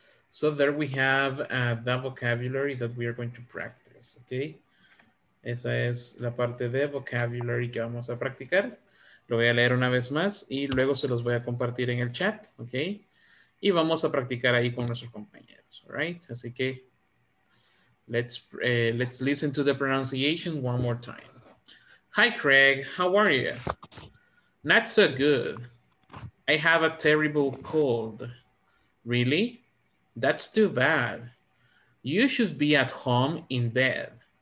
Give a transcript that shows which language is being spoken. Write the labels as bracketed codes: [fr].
[en] So there we have the vocabulary that we are going to practice. [es] Okay, esa es la parte de vocabulary que vamos a practicar. Lo voy a leer una vez más y luego se los voy a compartir en el chat. Okay, y vamos a practicar ahí con nuestros compañeros. All right, así que. [en] Let's listen to the pronunciation one more time. Hi, Craig. How are you? Not so good. I have a terrible cold. Really? That's too bad. You should be at home in bed.